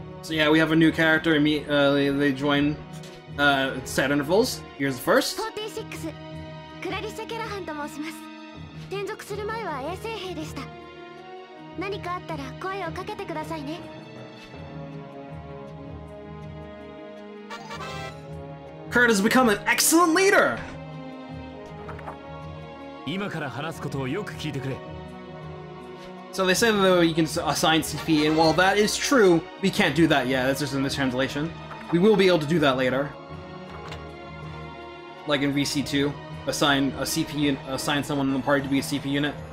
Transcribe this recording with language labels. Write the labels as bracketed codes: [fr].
[en] yeah, we have a new character, and they join set intervals. Here's the first. 46. Clarissa [ja] Kerahan,と申します。転属する前は衛星兵でした。何かあったら声をかけてくださいね。 [en] Kurt has become an excellent leader! [ja] 今から話すことをよく聞いてくれ。 [en] So they say that you can assign CP, and while that is true, we can't do that yet, that's just a mistranslation. We will be able to do that later. Like in VC2, assign someone in the party to be a CP unit.